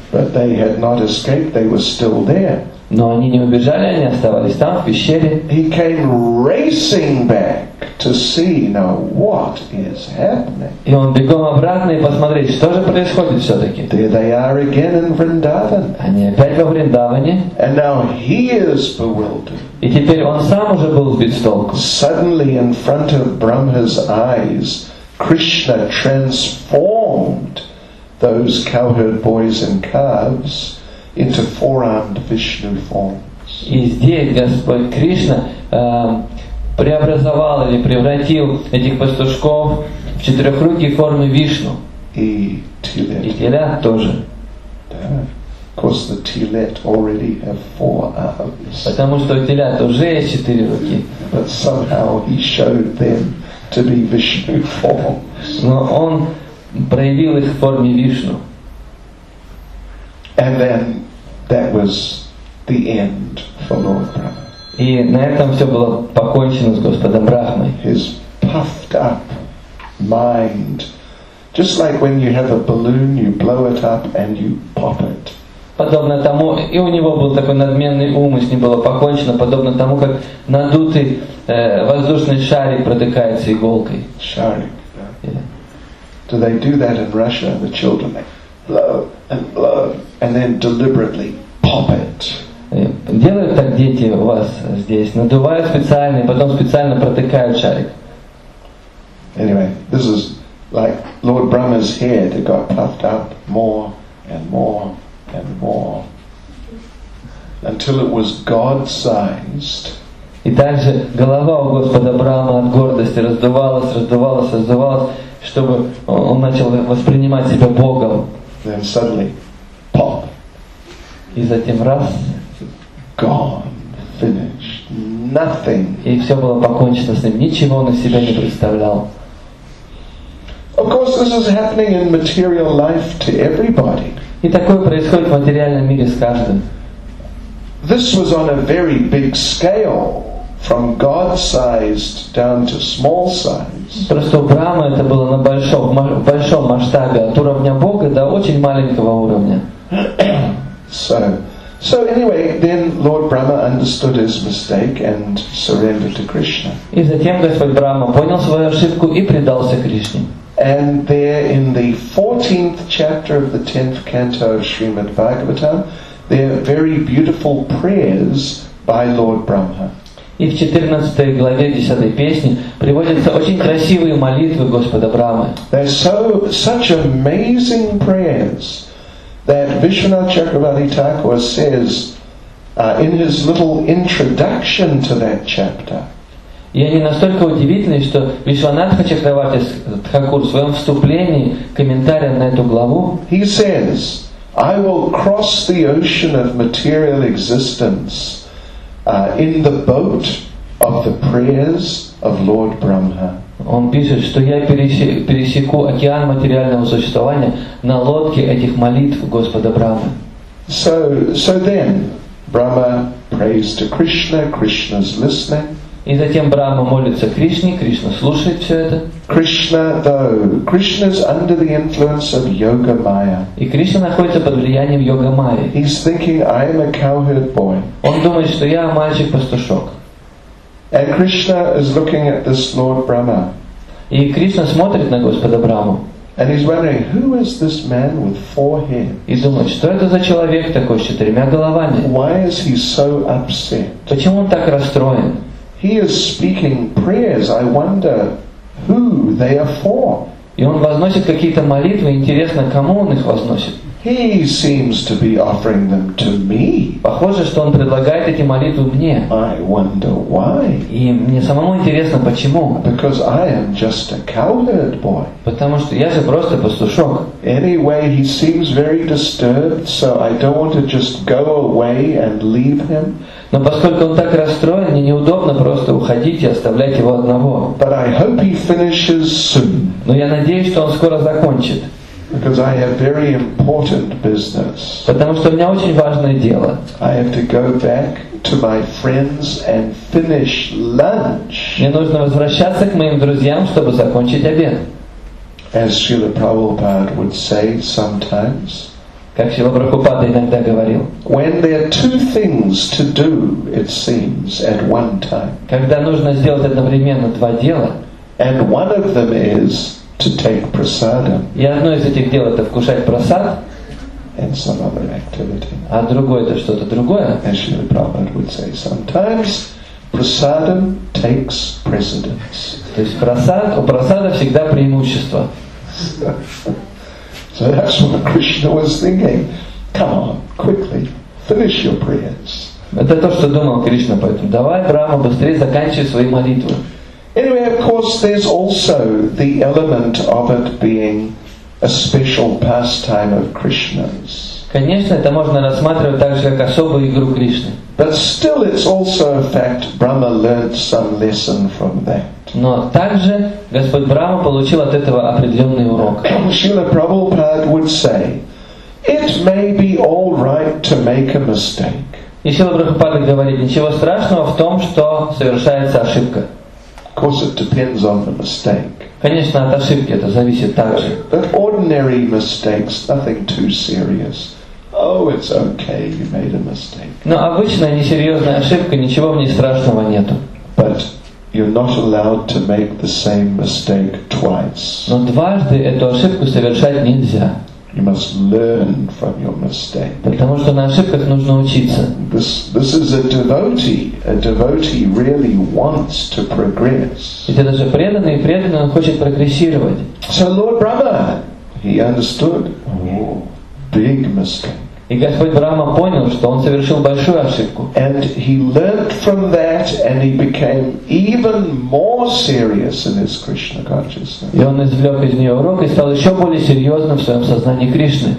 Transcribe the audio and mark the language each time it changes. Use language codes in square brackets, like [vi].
[en] But they had not escaped, they were still there. [ru] Но они не убежали, они оставались там, в пещере. [en] He came racing back to see, now what is happening. [ru] И он бегом обратно и посмотреть, что же происходит все-таки. [en] There they are again in Vrindavan. [ru] Они опять во Вриндаване. [en] And now he is bewildered. [ru] И теперь он сам уже был сбит с толку. [en] Suddenly in front of Brahma's eyes, Krishna transformed those cowherd boys and calves into four-armed Vishnu forms. [ru] И здесь Господь Кришна преобразовал или превратил этих пастушков в четырехрукие формы Вишну. И телят. И телят тоже. Да. [en] Of course, the telet already have four arms. [ru] Потому что у телят уже есть четыре руки. [en] But somehow he showed them to be Vishnu forms. [ru] Но он проявил их в форме Вишну. [en] And then that was the end for Lord Brahma. [ru] И на этом все было покончено с Господом Брахмой. [en] His puffed up mind, just like when you have a balloon, you blow it up and you pop it. [ru] Подобно тому, и у него был такой надменный ум, и с ним было покончено, подобно тому, как надутый воздушный шарик протыкается иголкой. Шарик, да. [en] Do they do that in Russia, the children? They blow, and then deliberately pop it. [ru] Делают так дети у вас здесь, надувают специально, и потом специально протыкают шарик. [en] Anyway, this is like Lord Brahma's head, it got puffed up more and more. And more, until it was God-sized. [ru] И также голова у Господа Брахмы от гордости раздувалась, раздувалась, раздувалась, чтобы он начал воспринимать себя Богом. [en] then suddenly, pop. [ru] И затем раз. [en] Gone. Finished. Nothing. [ru] И все было покончено с ним. Ничего он из себя не представлял. [en] Of course, this is happening in material life to everybody. [ru] И такое происходит в материальном мире с каждым. [en] This was on a very big scale, from God-sized down to small size. [ru] Просто у Брама это было на большом масштабе, от уровня Бога до очень маленького уровня. [en] So anyway, then Lord Brahma understood his mistake and surrendered to Krishna. [ru] И затем Господь Брама понял свою ошибку и предался Кришне. [en] And there in the 14th chapter of the 10th canto of Srimad Bhagavatam, there are very beautiful prayers by Lord Brahma. [ru] И в 14 главе 10 песни приводятся очень красивые молитвы Господа Брамы. [en] They're such amazing prayers that Vishwanath Chakravarti Thakur says in his little introduction to that chapter. [ru] И они настолько удивительны, что Вишванатха Чакравати Тхакур в своем вступлении, комментарии на эту главу, [en] he says, I will cross the ocean of material existence in the boat of the prayers of Lord Brahma. [ru] Он пишет, что я пересеку океан материального существования на лодке этих молитв Господа Брамы. [en] So then, Brahma prays to Krishna, Krishna's listening. [ru] И затем Брама молится Кришне, Кришна слушает все это. [en] Krishna, though, Krishna's under the influence of yoga maya. [ru] И Кришна находится под влиянием йога майи. [en] He's thinking, I am a cowherd boy. [ru] Он думает, что я мальчик-пастушок. [en] And Krishna is looking at this Lord Brahma. [ru] И Кришна смотрит на Господа Браму. [en] And he's wondering, who is this man with four heads? [ru] И думает, что это за человек такой с четырьмя головами? [en] Why is he so upset? [ru] Почему он так расстроен? [en] He is speaking prayers. I wonder who they are for. [ru] И он возносит какие-то молитвы. Интересно, кому он их возносит? [en] He seems to be offering them to me. [ru] Похоже, что он предлагает эти молитвы мне. [en] I wonder why. [ru] И мне самому интересно, почему. [en] Because I am just a cowherd boy. [ru] Потому что я же просто пастушок. [en] Anyway, he seems very disturbed, so I don't want to just go away and leave him. [ru] Но поскольку он так расстроен, мне неудобно просто уходить и оставлять его одного. [en] But I hope he finishes soon. [ru] Но я надеюсь, что он скоро закончит. [en] Because I have very important business. [ru] Потому что у меня очень важное дело. [en] I have to go back to my friends and finish lunch. [ru] Мне нужно возвращаться к моим друзьям, чтобы закончить обед. [en] As Srila Prabhupada would say sometimes. [ru] Как Шрила Прабхупада иногда говорил. [en] When there are two things to do, it seems, at one time. [ru] Когда нужно сделать одновременно два дела. [en] And one of them is to take prasadam. [ru] И одно из этих дел это вкушать прасад. [en] And some other activity. [ru] А другое это что-то другое. [en] As Srila Prabhupada would say, sometimes prasadam takes precedence. [ru] То есть прасад, у прасада всегда преимущество. [en] So that's what Krishna was thinking. Come on, quickly, finish your prayers. [ru] Это то, что думал Кришна поэтому. Давай, Брама, быстрее заканчивай свои молитвы. [en] Anyway, of course, there's also the element of it being a special pastime of Krishna's. [ru] Конечно, это можно рассматривать также как особую игру Кришны. [en] But still, it's also a fact Brahma learned some lesson from that. [ru] Но также Господь Брама получил от этого определенный урок. [en] Srila Prabhupada would say, it may be all right to make a mistake. [ru] И Srila Prabhupada говорит, ничего страшного в том, что совершается ошибка. [en] Of course, it depends on the mistake. [ru] Конечно, от ошибки это зависит также. [en] But ordinary mistakes, nothing too serious. Oh, it's okay, you made a mistake. [ru] Но обычная несерьезная ошибка, ничего в ней страшного нету. [en] But you're not allowed to make the same mistake twice. [ru] Но дважды эту ошибку совершать нельзя. [en] You must learn from your mistake. [ru] Потому что на ошибках нужно учиться. [en] This is a devotee. A devotee really wants to progress. [ru] Это даже преданный, преданный, он хочет прогрессировать. [en] So Lord Brahma, he understood. Oh, big mistake. [ru] И Господь Брама понял, что он совершил большую ошибку. [en] And he learned from that that and he became even more serious in his Krishna consciousness. [ru] И он извлек из нее урок и стал еще более серьезным в своем сознании Кришны.